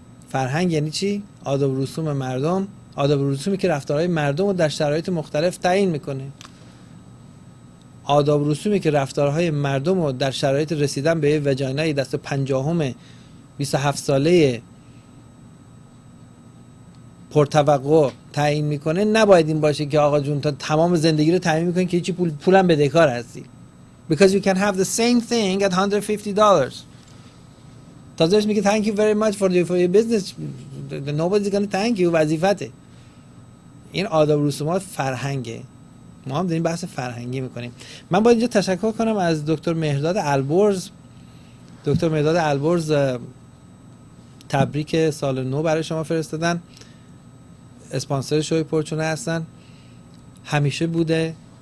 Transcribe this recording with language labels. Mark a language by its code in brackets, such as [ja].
[fa] فرهنگ یعنی چی؟ آداب رسوم مردم. آداب رسومی که رفتارهای مردم رو در شرایط مختلف تعیین میکنه، آداب رسومی که رفتارهای مردم رو در شرایط رسیدن به وجاینای دست پنجاهم 27 ساله پرتوقع تعیین میکنه، نباید این باشه که آقا جون تا تمام زندگی رو تعیین میکنی که هیچی پولم بدهکار هستی. [en] Because you can have the same thing at $150. [fa] تازهش میگه [en] thank you very much for your business. Nobody's gonna thank you. [fa] وظیفته. این آداب رسومات فرهنگه. ما هم داریم بحث فرهنگی میکنیم. من باید اینجا تشکر کنم از دکتر مهرداد البرز. دکتر مهرداد البرز تبریک سال نو برای شما فرستادن. اسپانسر شوی پرچونه هستن، همیشه بوده.